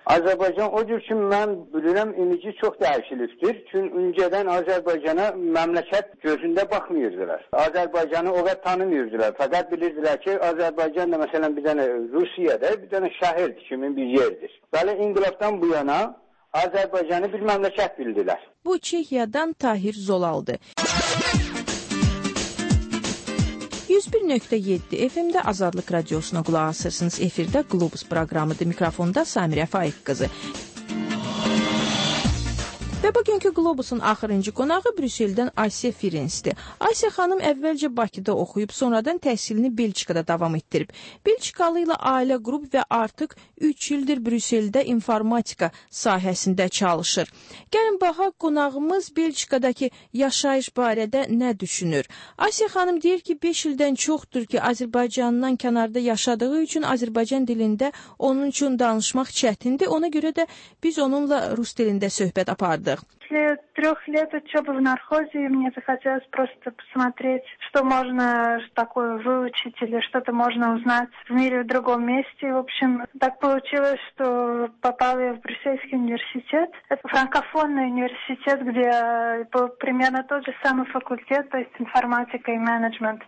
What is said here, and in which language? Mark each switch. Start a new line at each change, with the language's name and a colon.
Azerbaijani: Azərbaycan o cür ki, mən bilirəm, imici çox dəyişilibdir. Çünki öncədən Azərbaycana məmləkət gözündə baxmıyırdılar. Azərbaycanı o qədər tanımıyırdılar. Fəqət bilirdilər ki, Azərbaycan da məsələn bir dənə Rusiyada, bir dənə şəhərdir kimi bir yerdir. Bəli, inqilabdan bu yana Azərbaycanı bir məmləkət bildilər. Bu Çexiyadan Tahir Zolaldı. 101.7 FM-də Azadlıq Radiosuna qulaq asırsınız. Efirdə Globus proqramıdır. Mikrofonda Samirə Faiq qızı. Və bugünkü Globusun axırıncı qonağı Brüsseldən Asiya Firinsdir. Asiya xanım əvvəlcə Bakıda oxuyub, sonradan təhsilini Belçikada davam etdirib. Belçikalı ilə ailə qrup və artıq 3 ildir Brüsseldə informatika sahəsində çalışır. Gəlin, baxaq, qonağımız Belçikadakı yaşayış barədə nə düşünür? Asiya xanım deyir ki, 5 ildən çoxdur ki, Azərbaycandan kənarda yaşadığı üçün Azərbaycan dilində onun üçün danışmaq çətindir. Ona görə də biz onunla rus dilində söhbət apardıq.
Russian: После трех лет учебы в нархозе мне захотелось просто посмотреть, что можно такое выучить или что-то можно узнать в мире в другом месте. В общем, так получилось, что попала я в Брюссельский университет. Это франкофонный университет, где был примерно тот же самый факультет, то есть информатика и менеджмент.